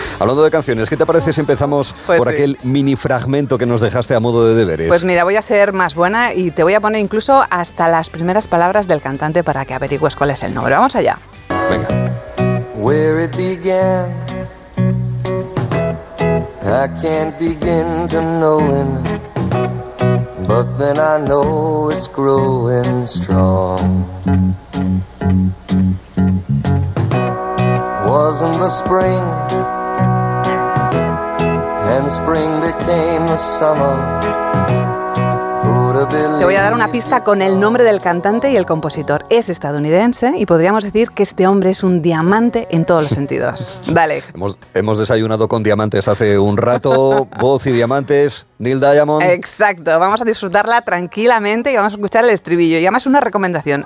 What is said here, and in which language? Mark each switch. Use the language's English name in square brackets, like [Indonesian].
[Spanish] Hablando de canciones, ¿qué te parece si empezamos aquel mini fragmento que nos dejaste a modo de deberes? Pues mira, voy a ser más buena y te voy a poner incluso hasta las primeras palabras del cantante para que averigües cuál es el nombre. Vamos allá. Venga. [English] Where it began, I can't begin to know, but then I know it's growing strong. Wasn't the spring, and spring became the summer. [Spanish] Te voy a dar una pista con el nombre del cantante y el compositor. Es estadounidense y podríamos decir que este hombre es un diamante en todos los sentidos. Dale. Hemos desayunado con diamantes hace un rato. Voz y diamantes, Neil Diamond. Exacto. Vamos a disfrutarla tranquilamente y vamos a escuchar el estribillo. Y además una recomendación.